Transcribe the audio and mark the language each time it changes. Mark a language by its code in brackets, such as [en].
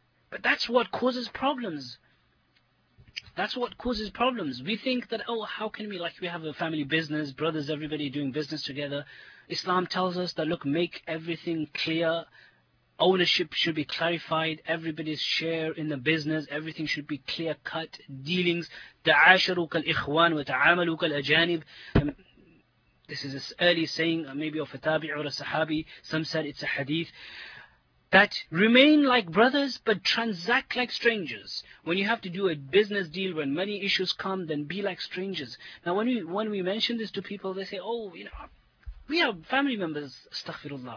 [en] But that's what causes problems. That's what causes problems. We think that, oh, how can we, like, we have a family business, brothers, everybody doing business together. Islam tells us that, look, make everything clear. Ownership should be clarified. Everybody's share in the business. Everything should be clear-cut. Dealings. [ar] تعاشروا كالإخوان وتعاملوا كالأجانب. [en] This is an early saying, maybe of a tabi' or a sahabi. Some said it's a hadith. That remain like brothers, but transact like strangers. When you have to do a business deal, when money issues come, then be like strangers. Now, when we mention this to people, they say, oh, you know, we are family members, astaghfirullah.